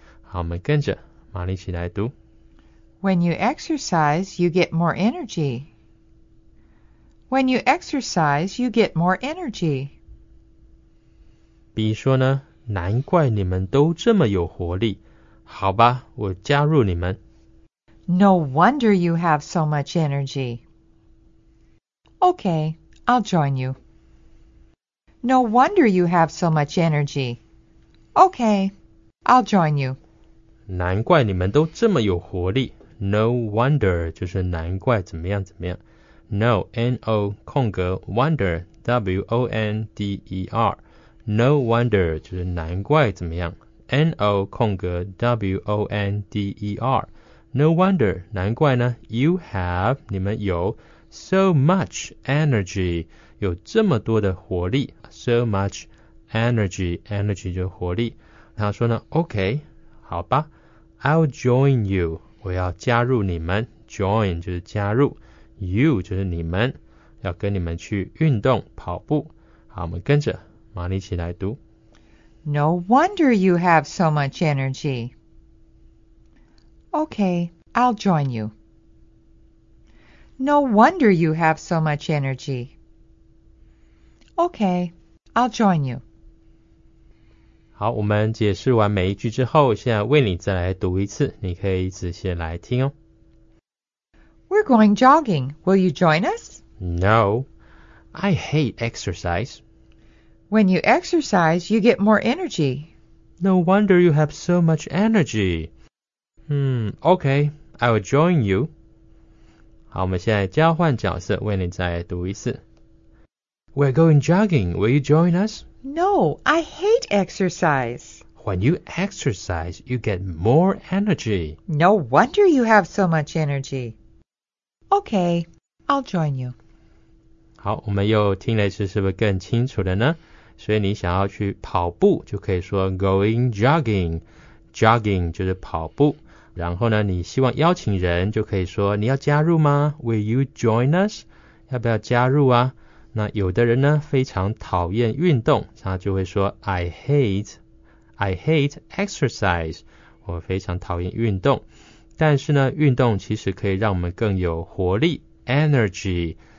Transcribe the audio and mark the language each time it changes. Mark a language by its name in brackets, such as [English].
[Chinese] 好，我们跟着玛丽一起来读。 [English] When you exercise, you get more energy. When you exercise, you get more energy. [Chinese] B 说呢，难怪你们都这么有活力。好吧，我加入你们。 [English] No wonder you have so much energy. Okay, I'll join you. No wonder you have so much energy. Okay, I'll join you. [Chinese] 难怪你们都这么有活力。 No wonder 就是难怪怎么样怎么样。 [English] No, N-O, 空格, wonder, W-O-N-D-E-R. [Chinese] No wonder 就是难怪怎么样 N-O 空格 W-O-N-D-E-R No wonder 难怪呢 You have 你们有 So much energy 有这么多的活力 So much energy Energy 就是活力他说呢 OK 好吧 I'll join you 我要加入你们 Join 就是加入 You 就是你们要跟你们去运动跑步好我们跟着玛丽起来读 [English] No wonder you have so much energy Okay, I'll join you No wonder you have so much energy Okay, I'll join you [Chinese] 好我们解释完每一句之后现在为你再来读一次你可以仔细来听哦 [English] We're going jogging, will you join us? No, I hate exercise When you exercise, you get more energy. No wonder you have so much energy. Okay, I will join you. [Chinese] 好,我们现在交换角色,为你再读一次。 [English] We're going jogging, will you join us? No, I hate exercise. When you exercise, you get more energy. No wonder you have so much energy. Okay, I'll join you. [Chinese] 好,我们又听了一次是不是更清楚了呢?所以你想要去跑步就可以说 going jogging jogging 就是跑步然后呢你希望邀请人就可以说你要加入吗 will you join us 要不要加入啊那有的人呢非常讨厌运动他就会说 I hate exercise 我非常讨厌运动但是呢运动其实可以让我们更有活力 energy